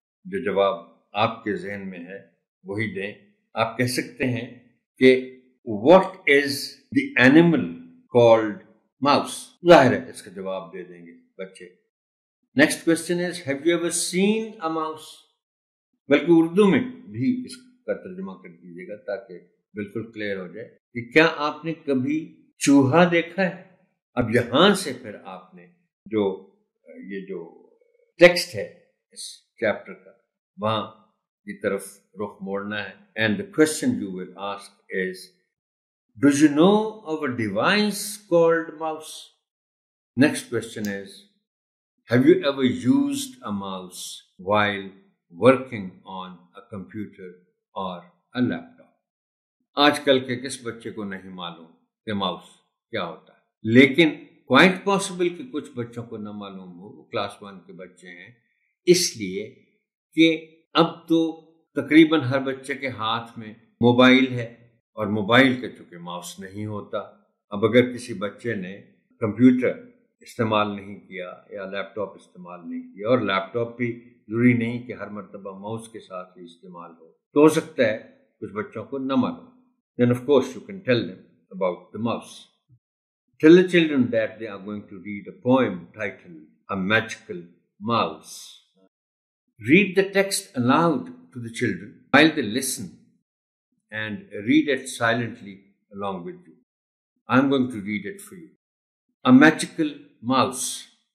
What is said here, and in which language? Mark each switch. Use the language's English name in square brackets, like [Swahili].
[Urdu] Jo jawab aapke zehen mein hai wahi dein. Aap keh sakte hain ke [English] what is the animal called mouse? [Urdu] Zahir hai iska jawab de denge bacche. [English] Next question is, have you ever seen a mouse? [Urdu] بلکہ اردو میں بھی اس کا ترجمہ کر دیجئے گا تاکہ بالکل clear ہو جائے کہ کیا آپ نے کبھی چوہا دیکھا ہے. اب یہاں سے پھر آپ نے جو یہ جو ٹیکسٹ ہے اس چیپٹر کا وہاں کی طرف رخ موڑنا ہے. [English] And the question you will ask is, do you know of a device called mouse? Next question is, have you ever used a mouse while working on a computer or a laptop? [Urdu] آج کل کے کس بچے کو نہیں معلوم کہ mouse کیا ہوتا ہے. لیکن [English] quite possible [Urdu] کہ کچھ بچوں کو نہ معلوم ہو, کلاس ون کے بچے ہیں, اس لیے کہ اب تو تقریباً ہر بچے کے ہاتھ میں موبائل ہے اور موبائل کا چونکہ ماؤس نہیں ہوتا، اب اگر کسی بچے نے کمپیوٹر استعمال نہیں کیا یا لیپ ٹاپ استعمال نہیں کیا، اور لیپ ٹاپ بھی ضروری نہیں کہ ہر مرتبہ ماؤس کے ساتھ ہی استعمال ہو، تو ہو سکتا ہے کچھ بچوں کو نہ معلوم، [English] Then of course you can tell them about the mouse. Tell the children that they are going to read a poem titled A Magical Mouse. Read the text aloud to the children while they listen and read it silently along with you. I am going to read it for you. A Magical Mouse.